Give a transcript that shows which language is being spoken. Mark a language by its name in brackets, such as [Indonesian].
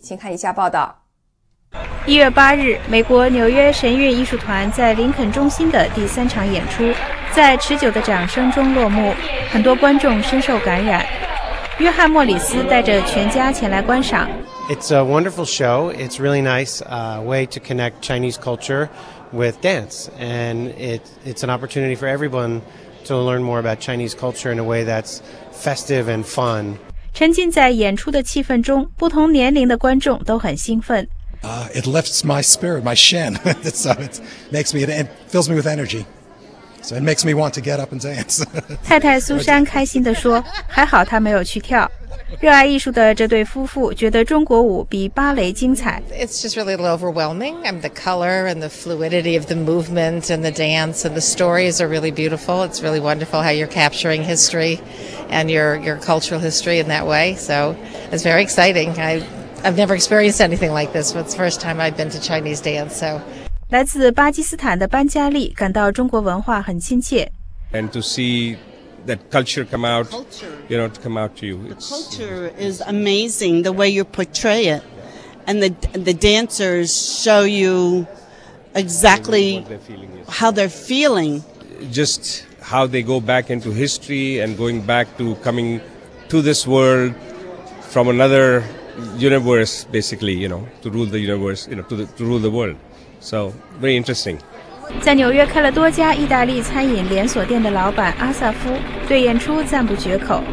[Chinese] 请看以下报道。 1月8日，美国纽约神韵艺术团在林肯中心的第三场演出，在持久的掌声中落幕，很多观众深受感染。约翰·莫里斯带着全家前来观赏。 [English] It's a wonderful show. It's really nice way to connect Chinese culture with dance. And it's an opportunity for everyone to learn more about Chinese culture in a way that's festive and fun. [Chinese] 沉浸在演出的气氛中，不同年龄的观众都很兴奋。 [English] It lifts my spirit, my shen. it fills me with energy. So it makes me want to get up and dance. [Chinese] 太太苏珊开心地说，还好她没有去跳。热爱艺术的这对夫妇觉得中国舞比芭蕾精彩。 [English] It's just really a little overwhelming. I mean, the color and the fluidity of the movement and the dance and the stories are really beautiful. It's really wonderful how you're capturing history and your cultural history in that way. So it's very exciting. I've never experienced anything like this. It's the first time I've been to Chinese dance. So, [Chinese] 来自巴基斯坦的班加利感到中国文化很亲切。 [English] And to see. That culture come out, culture. You know, to come out to you. The culture is amazing, the way you portray it. And the dancers show you exactly how they're feeling. Just how they go back into history and going back to coming to this world from another universe, basically, you know, to rule the universe, you know, to rule the world. So, very interesting. [Chinese] 在纽约开了多家意大利餐饮连锁店的老板阿萨夫对演出赞不绝口。